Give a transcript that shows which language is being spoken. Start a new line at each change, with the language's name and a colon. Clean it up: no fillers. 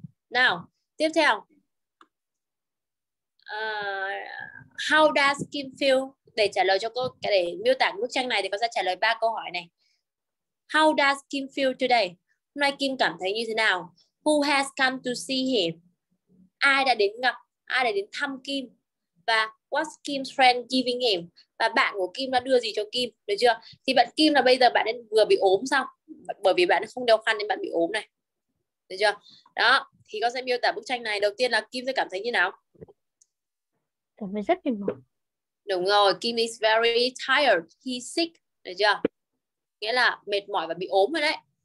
Vietnamese: Nào, tiếp theo.
English: How does Kim feel
Vietnamese: để trả lời cho cô, để miêu tả bức tranh này thì con sẽ trả lời 3 câu hỏi này.
English: How does Kim feel today?
Vietnamese: Hôm nay Kim cảm thấy như thế nào?
English: Who has come to see him?
Vietnamese: Ai đã đến gặp, ai đã đến thăm Kim?
English: Và what's Kim's friend giving him?
Vietnamese: Và bạn của Kim đã đưa gì cho Kim? Được chưa? Thì bạn Kim là bây giờ bạn vừa bị ốm xong, bởi vì bạn không đeo khăn nên bạn bị ốm này. Được chưa? Đó, thì con sẽ miêu tả bức tranh này. Đầu tiên là Kim sẽ cảm thấy như nào? Cảm thấy rất mệt mỏi. Đúng rồi,
English: Kim is very tired. He's sick.
Vietnamese: Được chưa? Nghĩa là mệt mỏi và bị ốm rồi đấy.